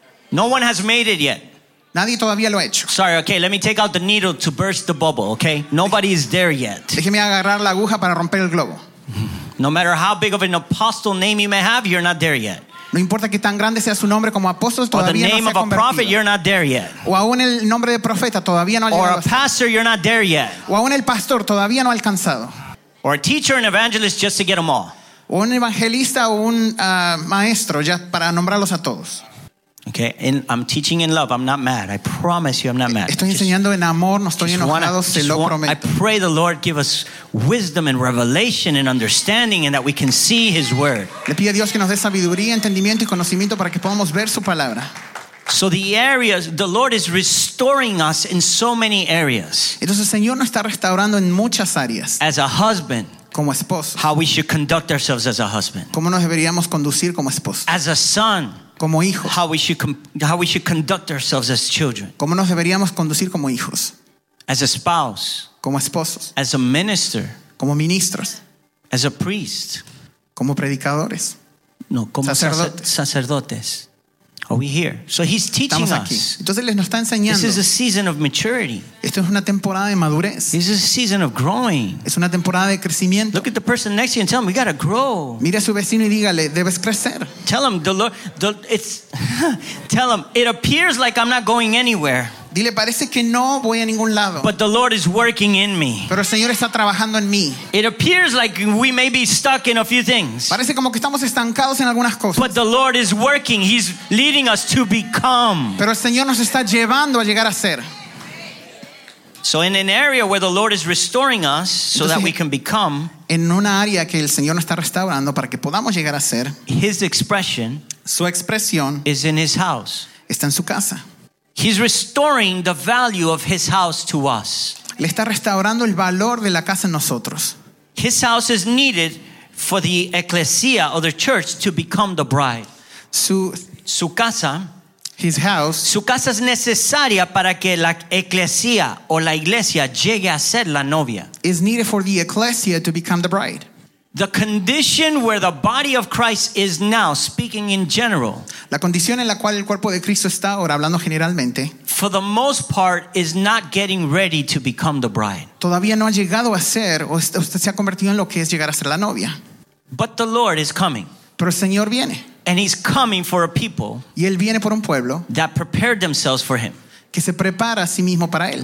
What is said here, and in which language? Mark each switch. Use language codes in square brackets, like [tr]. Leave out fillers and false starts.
[en] No one has made it yet. [es] Nadie todavía lo ha hecho. [en] Sorry, okay, let me take out the needle to burst the bubble, okay? Nobody is there yet. [es] Déjeme agarrar la aguja para romper el globo. [en] No matter how big of an apostle name you may have, you're not there yet. [es] No importa que tan grande sea su nombre como apóstol, todavía no se ha convertido. [en] Or the name of a prophet, you're not there yet. [es] O aún el nombre de profeta, todavía no ha llegado. [en] Or a pastor, you're not there yet. [es] O aún el pastor, todavía no ha alcanzado. [en] Or a teacher and evangelist, just to get them all. [es] O un evangelista o un maestro, ya para nombrarlos a todos. [en] Okay, and I'm teaching in love. I'm not mad. I promise you, I'm not mad. [es] Estoy enseñando en amor. No estoy enojado. Se lo prometo. [en] I pray the Lord give us wisdom and revelation and understanding, and that we can see His word. [es] Le pido a Dios que nos dé sabiduría, entendimiento y conocimiento para que podamos ver su palabra. [en] So the areas, the Lord is restoring us in so many areas. [es] Entonces el Señor nos está restaurando en muchas áreas. [en] As a husband. [es] Como esposo. [en] How we should conduct ourselves as a husband. [es] Cómo nos deberíamos conducir como esposo. [en] As a son. [es] Como hijos. [en] How we should conduct ourselves as children. [es] Cómo nos deberíamos conducir como hijos. [en] As a spouse. [es] Como esposos. [en] As a minister. [es] Como ministros. [en] As a priest. [es] Como predicadores. No, como sacerdotes. [en] Are we here? So he's teaching [es] us. Entonces les nos está enseñando. [en] This is a season of maturity. [es] Esto es una temporada de madurez. [en] This is a season of growing. [es] Es una temporada de crecimiento. [en] Look at the person next to you and tell him, we gotta grow. [es] Mira a su vecino y dígale, debes crecer. [en] Tell him, tell him, it appears like I'm not going anywhere. [es] Dile, parece que no voy a ningún lado. [en] But the Lord is working in me. [es] Pero el Señor está trabajando en mí. [en] It appears like we may be stuck in a few things. [es] Parece como que estamos estancados en algunas cosas. [en] But the Lord is working. He's leading us to become. [es] Pero el Señor nos está llevando a llegar a ser. [en] So in an area where the Lord is restoring us, so [es] entonces, [en] that we can become. [es] En una área que el Señor nos está restaurando para que podamos llegar a ser. [en] His expression. [es] Su expresión. [en] Is in his house. [es] Está en su casa. [en] He's restoring the value of his house to us. [es] Le está restaurando el valor de la casa en nosotros. [en] His house is needed for the ecclesia or the church to become the bride. [es] Su casa, [en] his house, [es] su casa es necesaria para que la ecclesia o la iglesia llegue a ser la novia. [en] Is needed for the ecclesia to become the bride. The condition where the body of Christ is now, speaking in general. [es] La condición en la cual el cuerpo de Cristo está ahora, hablando generalmente. [en] For the most part, is not getting ready to become the bride. [es] Todavía no ha llegado a ser, o usted se ha convertido en lo que es llegar a ser la novia. [en] But the Lord is coming. [es] Pero el Señor viene. [en] And he's coming for a people. [es] Y él viene por un pueblo. [en] That prepared themselves for him. [es] Que se prepara a sí mismo para él.